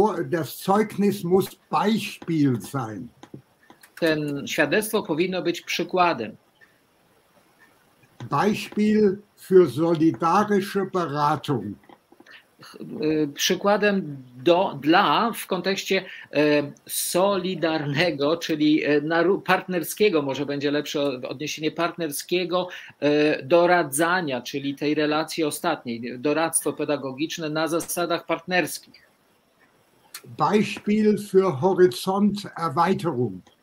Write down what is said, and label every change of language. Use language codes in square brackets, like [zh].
[de] Das Zeugnis muss Beispiel sein. [pl] Ten świadectwo powinno być przykładem. [de] Beispiel für solidarische Beratung. [pl] Przykładem dla w kontekście solidarnego, czyli partnerskiego, może będzie lepsze odniesienie, partnerskiego doradzania, czyli tej relacji ostatniej, doradztwo pedagogiczne na zasadach partnerskich. [de] Beispiel für Horizont Erweiterung.